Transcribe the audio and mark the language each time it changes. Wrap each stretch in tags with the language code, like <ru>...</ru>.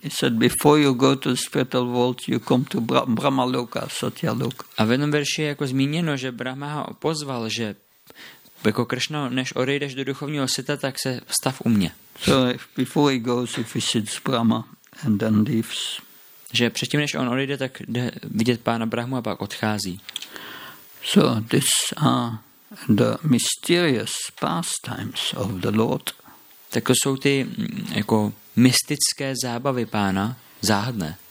<en>He said, "Before you go to the spiritual world, you come to Brahma Loka, Satya Loka."</en> <cs>A v jednom verši je jako zmíněno, že Brahma ho pozval, že jako Krishna, než odejdeš do duchovního světa, tak se stav u mě.</cs> <en>So before he goes, he visits Brahma and then leaves.</en> <cs>Že předtím, než on odejde, tak jde vidět Pána Brahmu a pak odchází.</cs> <en>So this are the mysterious pastimes of the Lord.</en> <cs>Tak to jsou ty jako mystické zábavy Pána, záhadné.</cs>